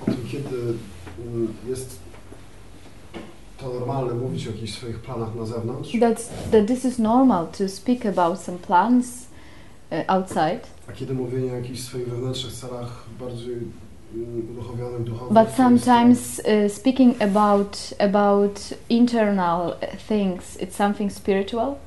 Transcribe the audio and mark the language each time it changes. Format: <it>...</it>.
<pl>Kiedy jest to normalne mówić o jakichś swoich planach na zewnątrz?</pl> <en>That this is normal to speak about some plans outside.</en> <pl>A kiedy mówienie o jakichś swoich wewnętrznych celach bardziej uduchowionych, duchowych?</pl> <en>But sometimes speaking about internal things, it's something spiritual.</en>